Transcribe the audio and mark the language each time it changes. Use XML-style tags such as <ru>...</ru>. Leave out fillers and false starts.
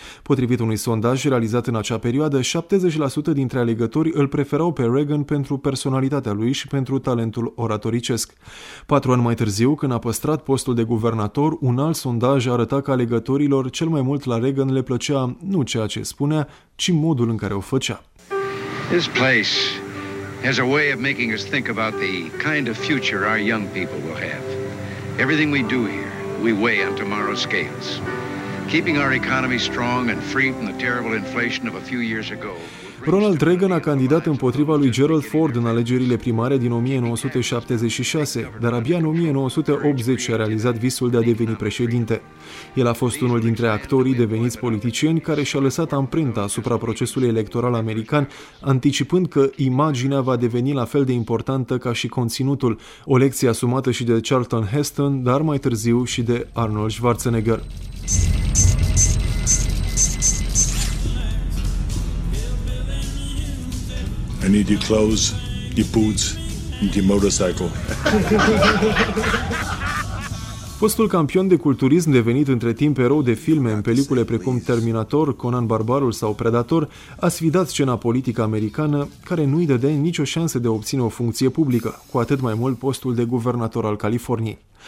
<ro>Potrivit unui sondaj realizat în acea perioadă, 70% dintre alegători îl preferau pe Reagan pentru personalitatea lui și pentru talentul oratoricesc. 4 ani mai târziu, când a păstrat postul de guvernator, un alt sondaj arăta că alegătorilor cel mai mult la Reagan le plăcea nu ceea ce spunea, ci modul în care o făcea.</ro> <en>This place has a way of making us think about the kind of future our young people will have. Everything we do here, we weigh on tomorrow's scales. Keeping our economy strong and free from the terrible inflation of a few years ago.</en> <ro>Ronald Reagan a candidat împotriva lui Gerald Ford în alegerile primare din 1976, dar abia în 1980 a realizat visul de a deveni președinte. El a fost unul dintre actorii deveniți politicieni care și-a lăsat amprenta asupra procesului electoral american, anticipând că imaginea va deveni la fel de importantă ca și conținutul, o lecție asumată și de Charlton Heston, dar mai târziu și de Arnold Schwarzenegger.</ro> <en>I need your clothes, your boots, and your motorcycle.</en> <ro>Fostul campion de culturism devenit între timp erou de filme în pelicule precum Terminator, Conan Barbarul sau Predator a sfidat scena politică americană care nu-i dădea nicio șansă de a obține o funcție publică, cu atât mai mult postul de guvernator al Californiei.</ro>